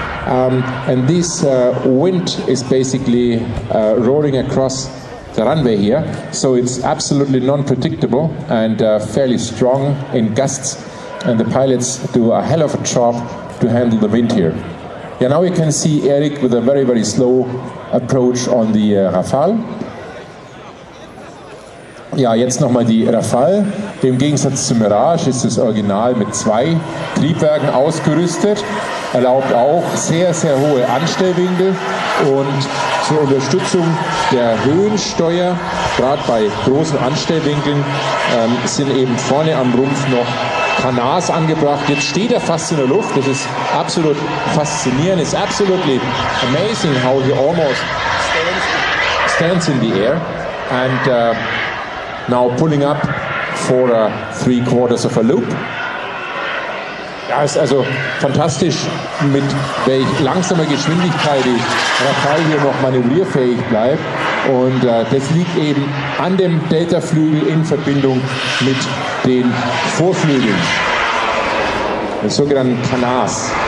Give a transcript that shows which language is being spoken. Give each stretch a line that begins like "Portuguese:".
English: And this wind is basically roaring across the runway here, so it's absolutely non-predictable and fairly strong in gusts, and the pilots do a hell of a job to handle the wind here. Yeah, now you can see Erik with a very, very slow approach on the Rafale.
German: Ja, jetzt nochmal die Rafale. Im Gegensatz zum Mirage ist das Original mit zwei Triebwerken ausgerüstet. Erlaubt auch sehr, sehr hohe Anstellwinkel. Und zur Unterstützung der Höhensteuer, gerade bei großen Anstellwinkeln, sind eben vorne am Rumpf noch Canards angebracht. Jetzt steht er fast in der Luft. Das ist absolut faszinierend.
English: It's absolutely amazing how he almost stands in the air. And now pulling up for three quarters of a loop.
German: Ja, ist also fantastisch, mit welch langsamer Geschwindigkeit die Rafale hier noch manövrierfähig bleibt. Und das liegt eben an dem Deltaflügel in Verbindung mit den Vorflügeln, den sogenannten Canards.